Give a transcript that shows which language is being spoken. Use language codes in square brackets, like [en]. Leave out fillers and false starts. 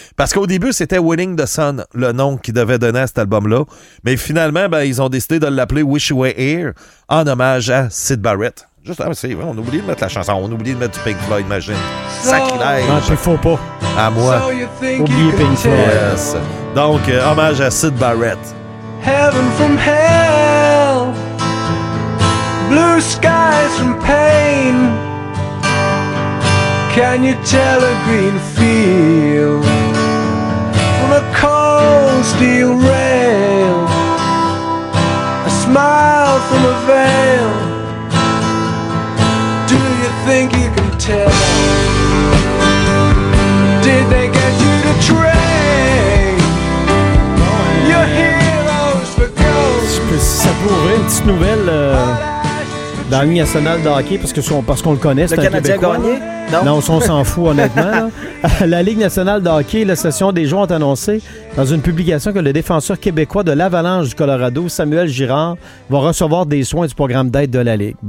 [fr] Parce qu'au début, c'était Winning the Sun, le nom qu'ils devaient donner à cet album-là. Mais finalement, ben ils ont décidé de l'appeler Wish You Were Here en hommage à Syd Barrett. Juste, c'est vrai, on oublie de mettre la chanson, on oublie de mettre du Pink Floyd, imagine. Sacrilège. Non, tu faut pas. À moi. Oubliez Pink Floyd. [en] Yes. [fr] Donc, hommage à Syd Barrett. [en] Heaven from hell, blue skies from pain. Can you tell a green field from a cold steel rail? Smile from a veil. Do you think you can tell? Did they get you to train? Your heroes for ghosts. [fr] Ça pourrait une petite nouvelle dans la Ligue nationale de hockey, parce qu'on le connaît, c'est le un Québécois. Le Canadien a gagné? Non. Non, on s'en fout, honnêtement. La Ligue nationale de hockey, l'association des joueurs, ont annoncé dans une publication que le défenseur québécois de l'Avalanche du Colorado, Samuel Girard, va recevoir des soins du programme d'aide de la Ligue.